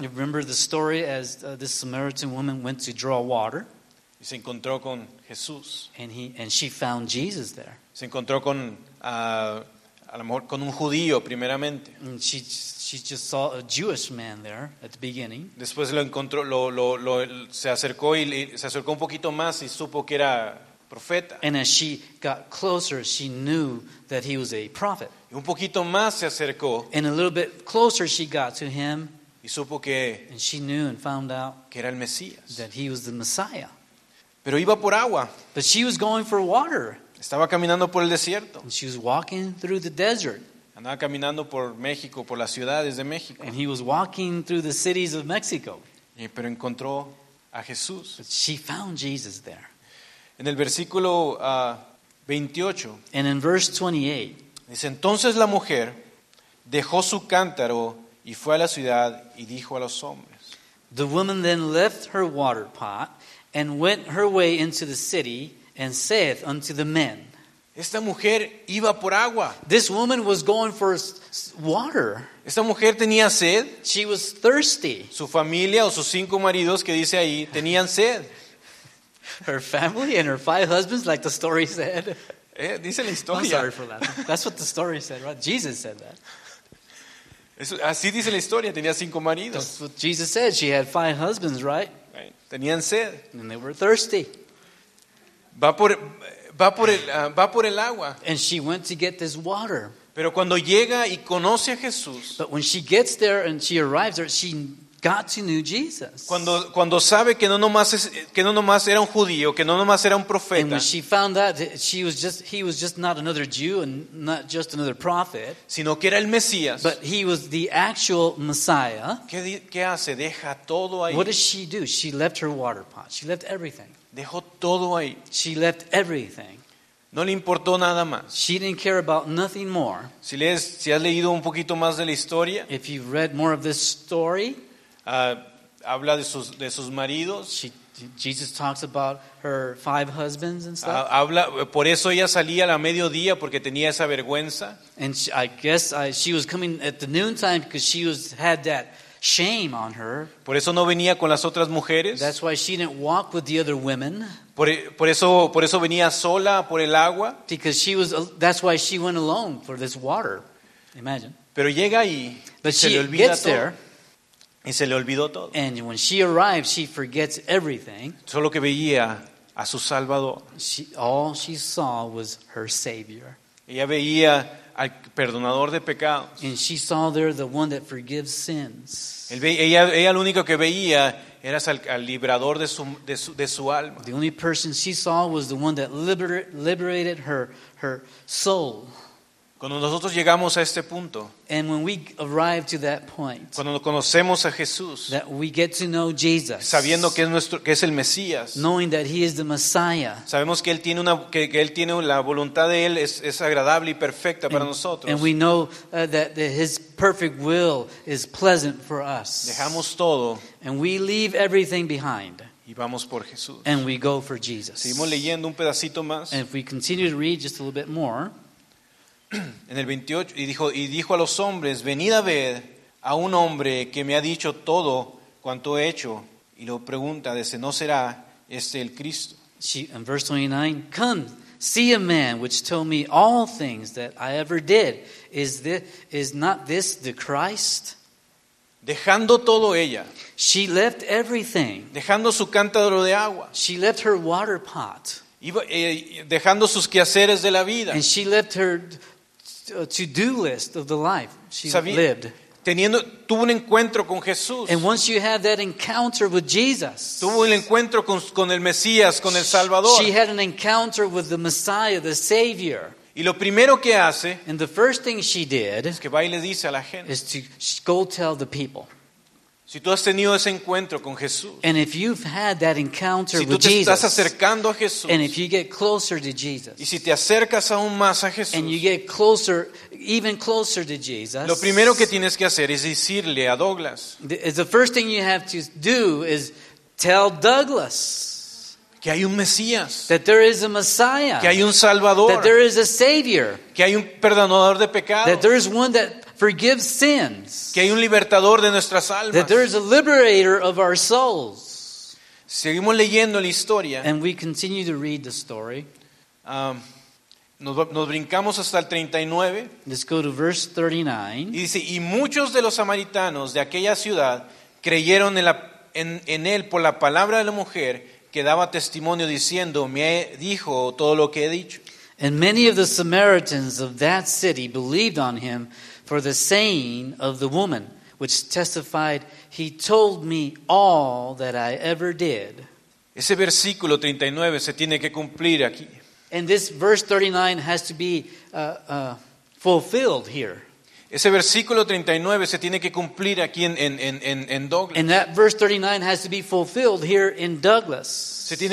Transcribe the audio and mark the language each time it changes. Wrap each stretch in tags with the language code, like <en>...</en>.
<en>You remember the story as this Samaritan woman went to draw water.</en> <es>Y se encontró con Jesús.</es> <en>And she found Jesus there.</en> <es>Se encontró con a lo mejor con un judío primeramente.</es> <en>She just saw a Jewish man there at the beginning.</en> <es>Después lo encontró, lo se acercó y se acercó un poquito más y supo que era profeta.</es> <en>And as she got closer, she knew that he was a prophet.</en> <es>Y un poquito más se acercó.</es> <en>And a little bit closer she got to him.</en> <es>Y supo que.</es> <en>And she knew and found out</en> <es>que era el Mesías.</es> <en>That he was the Messiah.</en> <es>Pero iba por agua.</es> <en>But she was going for water.</en> <es>Estaba caminando por el desierto.</es> <en>And she was walking through the desert.</en> <es>Andaba caminando por México, por las ciudades de México.</es> <en>And he was walking through the cities of Mexico.</en> <es>Pero encontró a Jesús.</es> <en>But she found Jesus there.</en> <es>En el versículo 28.</es> <en>And in verse 28.</en> <es>Dice, entonces la mujer dejó su cántaro y fue a la ciudad y dijo a los hombres.</es> <en>The woman then left her water pot and went her way into the city. And saith unto the men.</en> <es>Esta mujer iba por agua.</es> <en>This woman was going for water.</en> <es>Esta mujer tenía sed.</es> <en>She was thirsty.</en> <es>Su familia o sus cinco maridos que dice ahí tenían sed.</es> <en>Her family and her five husbands, like the story said.</en> <es>Dice la historia.</es> <en>I'm sorry for that. That's what the story said, right? Jesus said that.</en> <es>Eso, así dice la historia. Tenía cinco maridos.</es> <en>That's what Jesus said. She had five husbands, right?</en> <es>Tenían sed.</es> <en>And they were thirsty.</en> <es>Va por el agua.</es> <en>And she went to get this water.</en> <es>Pero cuando llega y conoce a Jesús.</es> <en>But when she gets there and she arrives there, she got to know Jesus.</en> <es>Cuando sabe que no nomás era un judío, que no nomás era un profeta.</es> <en>And when she found out that he was just not another Jew and not just another prophet.</en> <es>Sino que era el Mesías.</es> <en>But he was the actual Messiah.</en> <es>¿Qué hace? Deja todo ahí.</es> <en>What does she do? She left her water pot. She left everything.</en> <es>Dejó todo ahí.</es> <en>She left everything.</en> <es>No le importó nada más.</es> <en>She didn't care about nothing more.</en> <es>Si has leído un poquito más de la historia.</es> <en>If you've read more of this story.</en> <es>Habla de sus maridos.</es> <en>Jesus talks about her five husbands and stuff.</en> <es>Habla, por eso ella salía a la mediodía porque tenía esa vergüenza.</es> <en>And she was coming at the noontime because she had that shame on her.</en> <es>Por eso no venía con las otras mujeres.</es> <en>That's why she didn't walk with the other women.</en> <es>Por eso venía sola por el agua.</es> <en>Because she was. That's why she went alone for this water. Imagine.</en> <es>Pero llega ahí.</es> <en>But</en> <es>y</es> <en>she</en> <es>se le olvida</es> <en>gets</en> <es>todo.</es> <en>There.</en> <es>Y se le olvidó todo.</es> <en>And when she arrives, she forgets everything.</en> <es>Solo que veía a su Salvador.</es> <en>All she saw was her Savior.</en> <es>Ella veía al perdonador de pecados.</es> <en>And she saw there the one that forgives sins.</en> <es>Ella lo único que veía era al librador de su alma.</es> <en>The only person she saw was the one that liberated her soul.</en> <es>Cuando nosotros llegamos a este punto,</es> <en>and when we arrive to that point,</en> <es>cuando conocemos a Jesús,</es> <en>that we get to know Jesus,</en> <es>sabiendo que es el Mesías,</es> <en>knowing that he is the Messiah,</en> <es>sabemos que él tiene la voluntad de él es agradable y perfecta para nosotros,</es> <en>and we know that his perfect will is pleasant for us,</en> <es>dejamos todo,</es> <en>and we leave everything behind,</en> <es>y vamos por Jesús,</es> <en>and we go for Jesus.</en> <es>Seguimos leyendo un pedacito más,</es> <en>and if we continue to read just a little bit more.</en> <es>En el 28, y dijo a los hombres, venid a ver a un hombre que me ha dicho todo cuanto he hecho. Y lo pregunta, ¿dese no será este el Cristo?</es> <en>In verse 29, come, see a man which told me all things that I ever did. Is not this the Christ?</en> <es>Dejando todo ella.</es> <en>She left everything.</en> <es>Dejando su cántaro de agua.</es> <en>She left her water pot.</en> <es>Dejando sus quehaceres de la vida.</es> <en>And she left her to-do list of the life she lived.</en> <es>Tuvo un encuentro con Jesús.</es> <en>And once you have that encounter with Jesus,</en> <es>tuvo el encuentro con el Mesías, con el Salvador.</es> <en>She had an encounter with the Messiah, the Savior.</en> <es>Y lo primero que hace,</es> <en>and the first thing she did,</en> <es>es que va y le dice a la gente,</es> <en>is to go tell the people.</en> <es>Si tú has tenido ese encuentro con Jesús,</es> <en>and if you've had that encounter</en> <es>si</es> <en>with Jesus,</en> <es>si tú te estás acercando a Jesús,</es> <en>and if you get closer to Jesus,</en> <es>y si te acercas aún más a Jesús,</es> <en>and you get closer, even closer to Jesus,</en> <es>lo primero que tienes que hacer es decirle a Douglas.</es> <en>The first thing you have to do is tell Douglas</en> <es>que hay un Mesías,</es> <en>that there is a Messiah,</en> <es>que hay un Salvador,</es> <en>that there is a Savior,</en> <es>que hay un perdonador de pecados,</es> <en>that there is one that forgive sins.</en> <es>Que hay un libertador de nuestras almas.</es> <en>That there is a liberator of our souls.</en> <es>Seguimos leyendo la historia.</es> <en>And we continue to read the story.</en> <es>Nos brincamos hasta el 39.</es> <en>Let's go to verse 39.</en> <es>Y dice, y muchos de los samaritanos de aquella ciudad creyeron en él por la palabra de la mujer que daba testimonio diciendo, me dijo todo lo que he dicho.</es> <en>And many of the Samaritans of that city believed on him for the saying of the woman, which testified, he told me all that I ever did.</en> <es>Ese versículo 39 se tiene que cumplir aquí.</es> <en>And this verse 39 has to be fulfilled here.</en> <es>Ese versículo 39 se tiene que cumplir aquí en Douglas.</es> <en>And that verse 39 has to be fulfilled here in Douglas.</en>